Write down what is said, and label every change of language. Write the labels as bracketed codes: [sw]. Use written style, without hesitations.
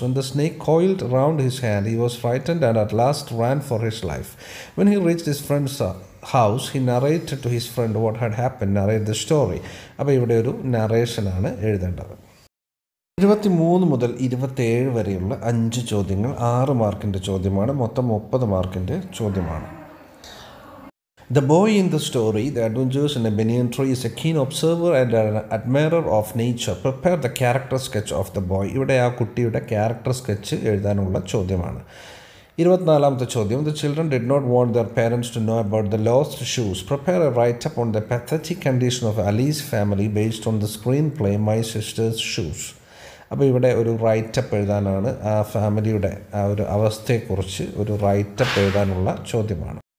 [en] When the snake coiled round his hand, he was frightened and at last ran for his life. When he reached his friend's house, he narrated to his friend what had happen, narrate the story. [ml] അപ്പോൾ ഇവിടെ ഒരു നറേഷനാണ് എഴുതേണ്ടത്. 23 മുതൽ 27 വരെയുള്ള 5 ചോദ്യങ്ങൾ 6 മാർക്കിൻ്റെ ചോദ്യമാണ്. മൊത്തം 30 മാർക്കിൻ്റെ ചോദ്യമാണ്. [en] The boy in the story, the adventures in a banyan tree, is a keen observer and an admirer of nature. Prepare the character sketch of the boy. [ml] ഇവിടെ ആ കുട്ടിയുടെ ക്യാരക്ടർ സ്കെച്ച് എഴുതാനുള്ള ചോദ്യമാണ്. [en] 24th [ml] ചോദ്യം. [en] The children did not want their parents to know about the lost shoes. Prepare a write up on the pathetic condition of Ali's family based on the screen play my sisters shoes. [ml] അപ്പോൾ ഇവിടെ ഒരു writeup എഴുതാനാണ്, ആ ഫാമിലിയുടെ ആ ഒരു അവസ്ഥയെക്കുറിച്ച് ഒരു റൈറ്റപ്പ് എഴുതാനുള്ള ചോദ്യമാണ്.